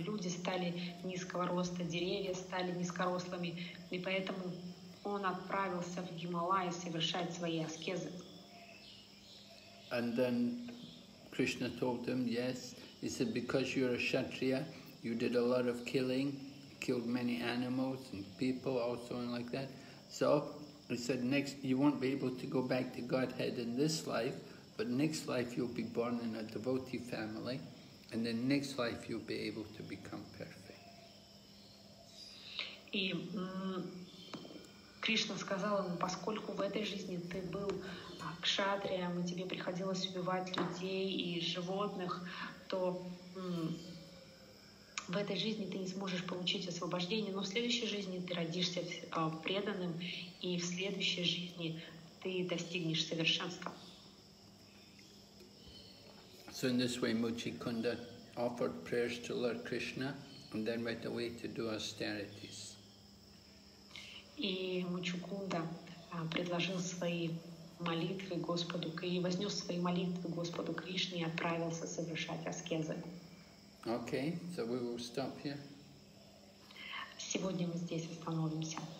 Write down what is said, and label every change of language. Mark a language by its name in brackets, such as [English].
[Russian] Люди стали низкого роста, деревья стали низкорослыми, и поэтому он отправился в Гималаи совершать свои аскезы. [English] And then Krishna told him, yes, he said, because you're a kshatriya, you did a lot of killing, killed many animals and people also and like that. So he said, next, you won't be able to go back to Godhead in this life, but next life you'll be born in a devotee family, and then next life you'll be able to become perfect. [Russian] И Кришна сказал ему, поскольку в этой жизни ты был кшатриям, и тебе приходилось убивать людей и животных, то в этой жизни ты не сможешь получить освобождение, но в следующей жизни ты родишься преданным, и в следующей жизни ты достигнешь совершенства. [English] So in this way Muchikunda offered prayers to Lord Krishna and then went away to do austerities. [Russian] И Мучкунда предложил свои молитвы Господу, и вознес свои молитвы Господу Кришне и отправился совершать аскезы. [English] Okay, so we will stop here. [Russian] Сегодня мы здесь остановимся.